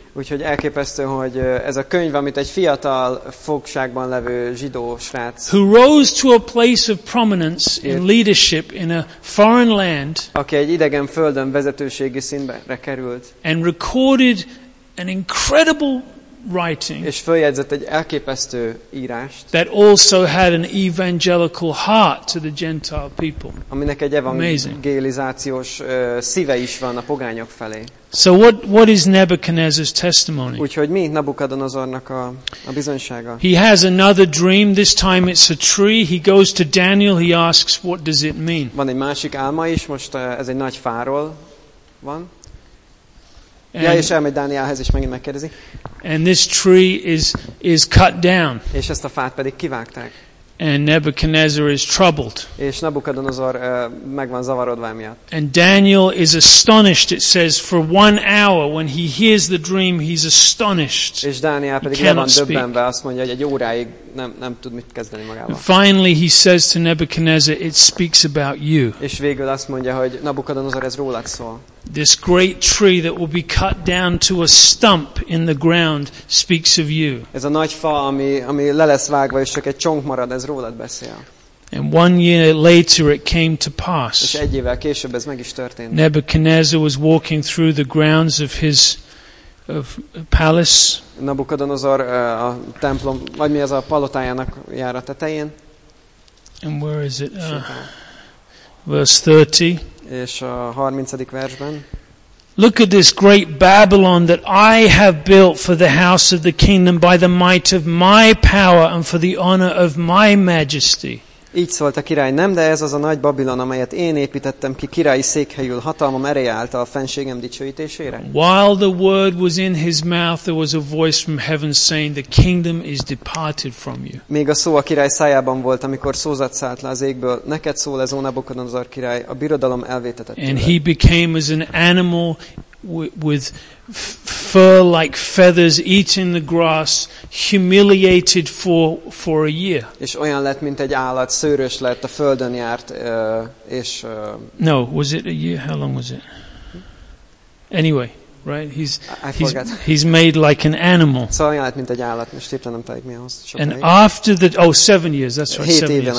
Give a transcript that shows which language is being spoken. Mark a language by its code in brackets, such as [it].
[hu] Úgyhogy elképesztő, hogy ez a könyv, amit egy fiatal fogságban levő zsidó srác, [en] who rose to a place of prominence in leadership in a foreign land, [hu] aki egy idegen földön vezetőségi színre került, [en] and recorded an incredible writing, [hu] és följegyzett egy elképesztő írást, [en] that also had an evangelical heart to the Gentile people. [hu] Aminek egy evangelizációs szíve is van a pogányok felé. [en] So what is Nebuchadnezzar's testimony? [hu] Úgyhogy mi Nabukadonozornak a bizonysága? [en] He has another dream. This time it's a tree. He goes to Daniel. He asks, what does it mean? [hu] Van egy másik álma is. Most ez egy nagy fáról van. And, ja, és elmegy Dánielhez, és megint megkérdezi. [en] And this tree is cut down. [hu] És ezt a fát pedig kivágták. [en] And Nebuchadnezzar is troubled. [hu] És Nabukadonozor meg van zavarodva emiatt. [en] And Daniel is astonished, it says, for one hour when he hears the dream, he's astonished. [hu] És Dániel pedig le van döbbenve, azt mondja, hogy egy óráig nem tud mit kezdeni magával. [en] Finally he says to Nebuchadnezzar, it speaks about you. [hu] És végül azt mondja, hogy Nabukadonozor, ez rólad szól. [en] This great tree that will be cut down to a stump in the ground speaks of you. [hu] Ez a nagy fa, ami le lesz vágva, és csak egy csonk marad, ez rólad beszél. [en] And one year later it came to pass. [hu] És egy évvel később ez meg is történt. [en] Nebuchadnezzar was walking through the grounds of his palace. [hu] Nabukadonozor a templom, vagy mi az a palotájának jár a tetején. [en] And where is it? Verse 30. [hu] És a 30. versben. [en] Look at this great Babylon that I have built for the house of the kingdom by the might of my power and for the honor of my majesty. [hu] Így szólt a király, nem, de ez az a nagy Babilon, amelyet én építettem ki királyi székhelyül hatalmam ereje által a fenségem dicsőítésére. [en] While the word was in his mouth, there was a voice from heaven saying, the kingdom is departed from you. [hu] Még a szó a király szájában volt, amikor szózat szállt le az égből, neked szól ez, ó Nabukadonozor király, a birodalom elvétetett. [en] And he became as an animal with fur like feathers, eating the grass, humiliated for a year. [hu] És olyan lett, mint egy állat, szőrös lett, a földön járt, és [en] no, was it a year? How long was it? Anyway, right? He's made like an animal. [hu] Szóval olyan lett, mint egy állat, most éppen nem tudom, mi az. [en] And after the 7 years, that's right. 7 years.